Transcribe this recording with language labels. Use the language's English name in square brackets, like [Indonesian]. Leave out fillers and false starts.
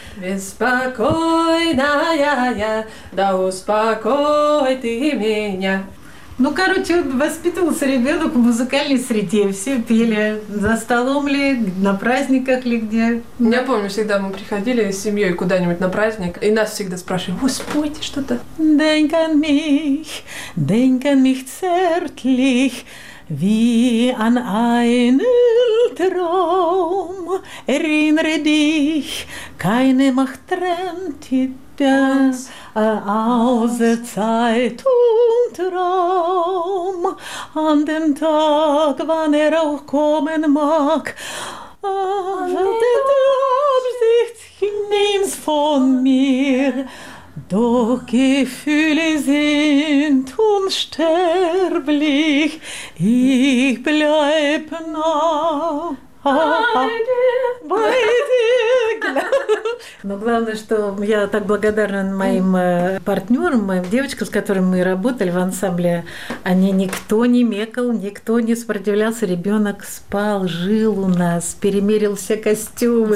[Russian] Беспокойная я, да успокой ты меня. Ну, короче, воспитывался ребенок в музыкальной среде. Все пели за столом ли, на праздниках ли где. Я помню, всегда мы приходили с семьей куда-нибудь на праздник, и нас всегда спрашивали, ой, спойте что-то. [German] Denk an mich, denk an mich zärtlich. Wie an einen Traum erinnere dich, keine Macht trennt das außer Zeit und Raum. An dem Tag, wann auch kommen mag, wartet Absicht nimm's von mir. Doch Gefühle sind unsterblich, ich bleib noch bei dir. Bei dir. [Russian] Но главное, что я так благодарна моим партнерам, моим девочкам, с которыми мы работали в ансамбле. Они никто не мекал, никто не сопротивлялся. Ребенок спал, жил у нас, перемерил все костюмы.